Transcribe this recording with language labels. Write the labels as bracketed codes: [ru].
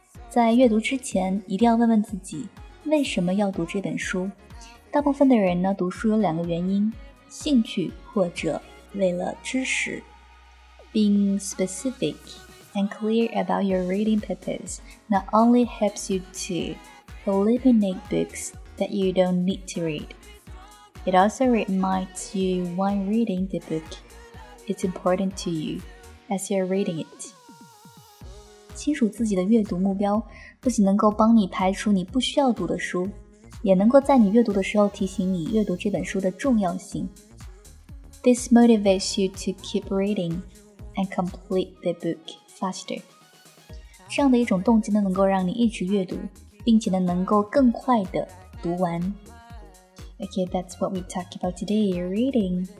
[zh] 在阅读之前一定要问问自己为什么要读这本书。大部分的人呢读书有两个原因，兴趣或者为了知识。 [en] Being specific and clear about your reading purpose not only helps you to eliminate books that you don't need to read, it also reminds you why reading the book is important to you as you're reading it. [zh] 清楚自己的阅读目标，不仅能够帮你排除你不需要读的书，也能够在你阅读的时候提醒你阅读这本书的重要性。 [en] This motivates you to keep reading and complete the book faster. [zh] 这样的一种动机呢，能够让你一直阅读，并且呢，能够更快地读完。 [en] Okay, that's what we talk about today, reading.